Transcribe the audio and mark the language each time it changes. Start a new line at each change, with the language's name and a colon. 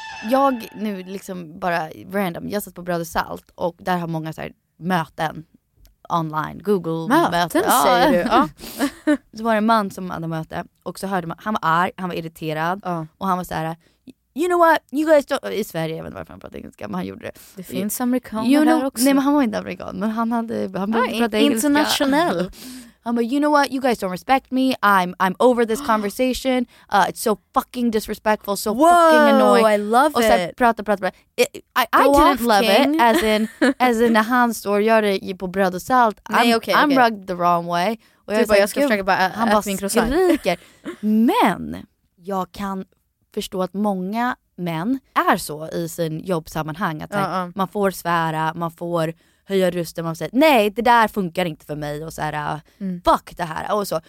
Swedish: Jag nu liksom bara random, jag satt på Bröd och Salt och där har många så här möten online, Google möten, ja, säger du. Så var det en man som hade möte och så hörde man, han var arg, han var irriterad, och han var så här,
English: you know what, you guys don't,
Swedish: i Sverige, jag vet inte varför han pratade engelska, men han gjorde det. Det finns amerikaner, you know, också. Nej, men han var inte amerikan, men han började prata engelska. Internationell. Han bara,
English: you know what, you guys don't respect me, I'm over this conversation, it's so fucking disrespectful, so, whoa, fucking annoying. Whoa, I love
Swedish: och
English: it.
Swedish: Och så prata.
English: I didn't love it, as in
Swedish: när han står och gör det på Bröd och Salt. Nej, okay.
English: I'm rugged the wrong way.
Swedish: Och jag, typ, bara, jag ska försöka bara han bara min skriker. Men jag kan förstå att många män är så i sin jobbsammanhang, att man får svära, man får höja rösten, man säger nej, det där funkar inte för mig och så här, fuck det här och så.